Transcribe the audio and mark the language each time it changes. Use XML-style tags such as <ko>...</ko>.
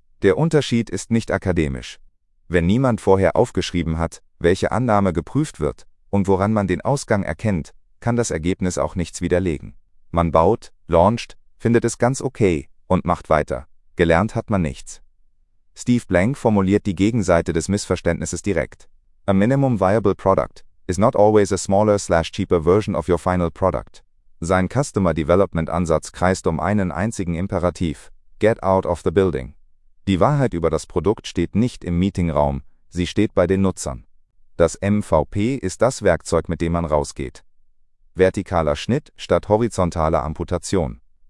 <de>Der Unterschied ist nicht akademisch. Wenn niemand vorher aufgeschrieben hat, welche Annahme geprüft wird und woran man den Ausgang erkennt, kann das Ergebnis auch nichts widerlegen. Man baut, launcht, findet es ganz okay und macht weiter. Gelernt hat man nichts. Steve Blank formuliert die Gegenseite des Missverständnisses direkt.</de> <en>A minimum viable product is not always a smaller / cheaper version of your final product.</en> <de>Sein Customer Development Ansatz kreist um einen einzigen Imperativ.</de> <en>Get out of the building.</en> <de>Die Wahrheit über das Produkt steht nicht im Meetingraum, sie steht bei den Nutzern. Das MVP ist das Werkzeug, mit dem man rausgeht. Vertikaler Schnitt statt horizontaler Amputation.</de>